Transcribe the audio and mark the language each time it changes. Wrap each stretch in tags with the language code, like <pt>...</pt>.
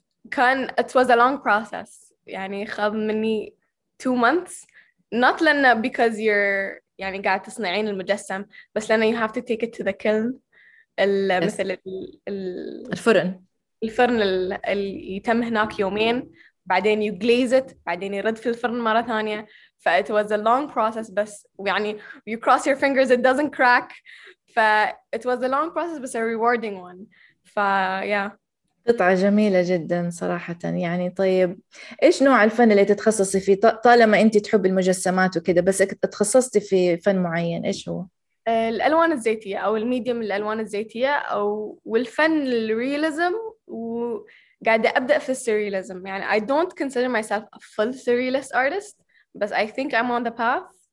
<ar>كان</ar> <en>it was a long process،</en> <ar>يعني خذ مني</ar> <en>2 months، not</en> <ar>لأن</ar> <en>because you're</en> <ar>يعني قاعد تصنعين المجسم، بس لأن</ar> <en>you have to take it to the kiln،</en> <ar>مثل الفرن. الفرن اللي يتم هناك يومين، بعدين</ar> <en>you glaze it،</en> <ar>بعدين يرد في الفرن مرة ثانية.</ar> <en>ف it was a long process،</en> <ar>بس يعني</ar> <en>you cross your fingers it doesn't crack. ف it was a long process بس a rewarding one. ف yeah.</en> <ar>قطعة جميلة جدا صراحة يعني. طيب إيش نوع الفن اللي تتخصصي فيه</ar> <en>طالما أنت</en> <ar>تحب المجسمات وكده، بس تخصصتي في فن معين، إيش هو؟ الألوان الزيتية أو الميديوم الألوان الزيتية أو والفن الرياليزم، وقاعدة أبدأ في السرياليزم.</ar> <en>يعني I don't consider myself a full surrealist artist، بس I think I'm on the path.</en>